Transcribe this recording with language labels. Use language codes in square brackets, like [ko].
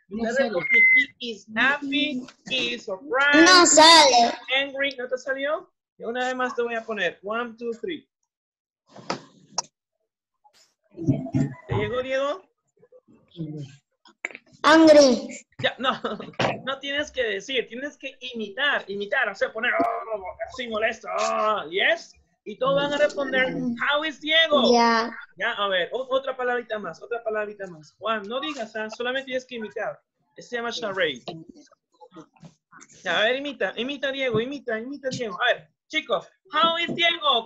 [en] He is happy, he is surprised. [es] No sale. Angry, ¿no te salió? Y una vez más te voy a poner. 1, 2, 3. ¿Te llegó, Diego? [en] Angry. [es] Ya, no. No tienes que decir. Tienes que imitar. O sea, poner. Oh, así molesto. Oh, ¿yes? Y todos van a responder, [en] how is Diego? Yeah. [es] Ya, a ver, otra palabrita más, otra palabrita más. Juan, no digas, ¿eh? Solamente tienes que imitar. Se llama charade. Ya, a ver, imita a Diego. A ver, chicos, [en] how is Diego?